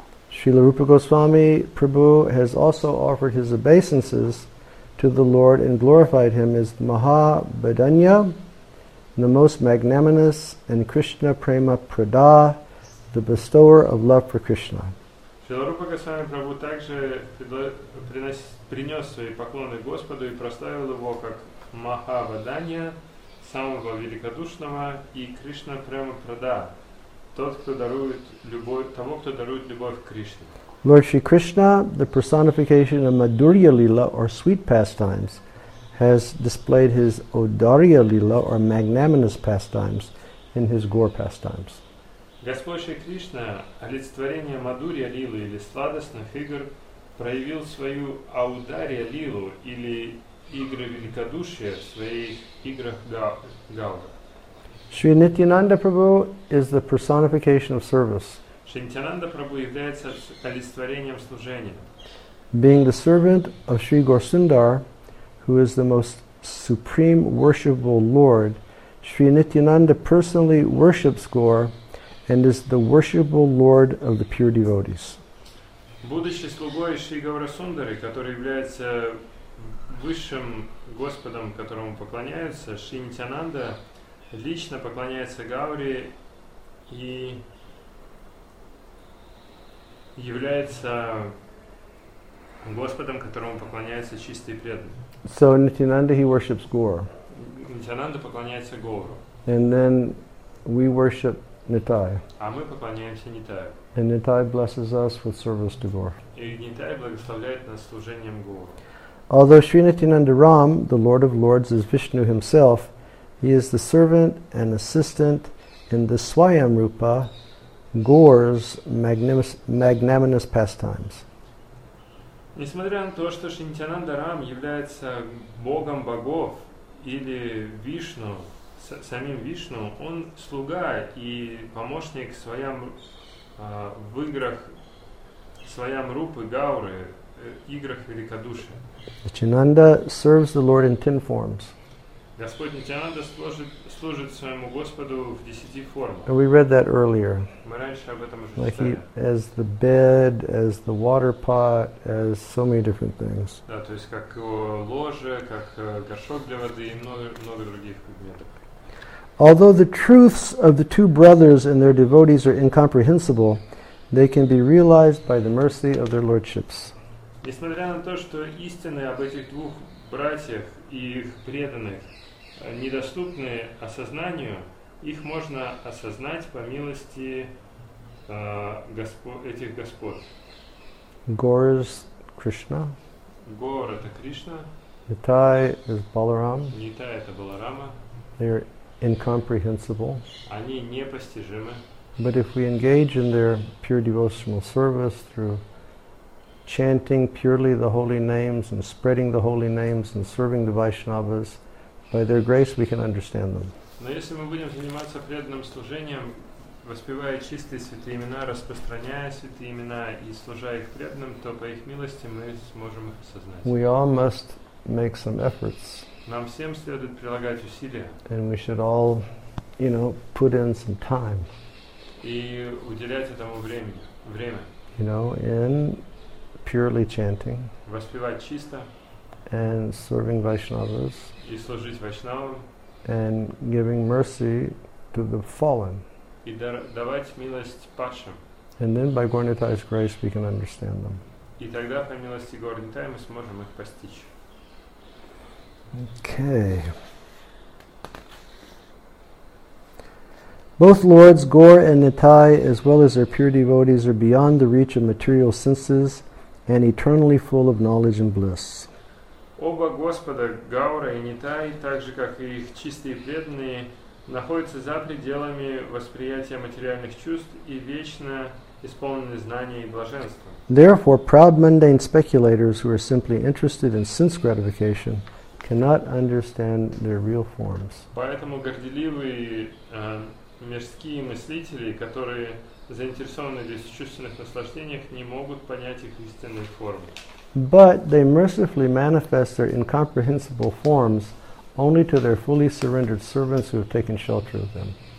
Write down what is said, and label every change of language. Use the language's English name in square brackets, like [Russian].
[English] Srila Rupa Goswami Prabhu has also offered his obeisances to the Lord and glorified him as Mahabhadanya, the most magnanimous, and Krishna Prema Prada, the bestower of love for Krishna. [Russian] Srila Rupa Goswami Prabhu также принес свои поклоны Господу и прославил его как Махавадания, самого великодушного, и Кришна Према Прада, того, кто дарует любовь к Кришне. [English] Lord Shri Krishna, the personification of Madhurya Lila, or sweet pastimes, has displayed his Odarya Lila, or magnanimous pastimes, in his Gaura pastimes. [Russian] Господь Шри Кришна, олицетворение Мадурья Лилы или сладостных игр, проявил свою Аударья Лилу или игры великодушия в своих играх Гаура. [English] Шри Нитьянанда Прабху is the personification of service. [Russian] Шри Нитьянанда Прабху является олицетворением служения. [English] Being the servant of Шри Гаурасундара, who is the most supreme worshipable Lord, Sri Nityananda personally worships Gaura and is the worshipable Lord of the pure devotees. [Russian] Будучи слугой Шри Гаурасундары, который является высшим Господом, которому поклоняются, Шри Нитянанда лично поклоняется Гауре и является Господом, которому поклоняются чистые преданные. [English] So Nityananda, he worships Gaur. [Russian] Nityananda поклоняется Гауру. [English] And then we worship Nitai. [Russian] А мы поклоняемся Нитаю. [English] And Nitai blesses us with service to Gaur. [Russian] И Нитай благословляет нас служением Гауру. [English] Although Sri Nityananda Ram, the Lord of Lords, is Vishnu himself, he is the servant and assistant in the Swayam Rupa, Gaur's magnanimous pastimes. [Russian] Несмотря на то, что Шри Нитянанда Рам является богом богов или Вишну, самим Вишну, он слуга и помощник Свайам в играх Свайам Рупы Гауры, играх великодушия. [English] Nityananda serves the Lord in 10 forms. [Russian] Господь Нитянанда служит своему Господу в 10 формах. [English] And we read that earlier. [Russian] Мы раньше об этом уже [English] like [Russian] читали. [English] He, as the bed, as the water pot, as so many different things. [Russian] Да, то есть как ложе, как горшок для воды и много других предметов. [English] Although the truths of the two brothers and their devotees are incomprehensible, they can be realized by the mercy of their lordships. [Russian] Несмотря на то, что истины об этих двух братьях и их преданных недоступны осознанию, их можно осознать по милости этих господ. [English] Gaur is Krishna. [Russian] Gaur это Кришна. [English] Nitai is Balaram. [Russian] Nitai это Баларама. [English] They are incomprehensible. [Russian] Они непостижимы. [English] But if we engage in their pure devotional service through chanting purely the holy names and spreading the holy names and serving the Vaishnavas, by their grace we can understand them. [Russian] Но если мы будем заниматься преданным служением, воспевая чистые святые имена, распространяя святые имена и служа их преданным, то по их милости мы сможем их осознать. [English] We all must make some efforts. [Russian] Нам всем следует прилагать усилия. [English] And we should all, you know, put in some time. [Russian] И уделять этому время. [English] You know, in purely chanting, [Russian] воспевать чисто, [English] and serving Vaishnavas, [Russian] и служить Вайшнавам, [English] and giving mercy to the fallen, [Russian] и давать милость падшим, [English] and then by Gaur Nitai's grace we can understand them. [Russian] И тогда по милости Гаур Нитай мы сможем их постичь. [English] Okay. Both lords Gaur and Nitai, as well as their pure devotees, are beyond the reach of material senses and eternally full of knowledge and bliss. [Russian] Оба Господа, Гаура и Нитай, так же как и их чистые преданные, находятся за пределами восприятия материальных чувств и вечно исполнены знания и блаженства. [English] Therefore, proud mundane speculators who are simply interested in sense gratification cannot understand their real forms. [Russian] Поэтому горделивые мирские мыслители, которые заинтересованные в бесчувственных наслаждениях, не могут понять их истинной формы. [English] But they mercifully manifest their incomprehensible forms only to their fully surrendered servants who have taken shelter of them.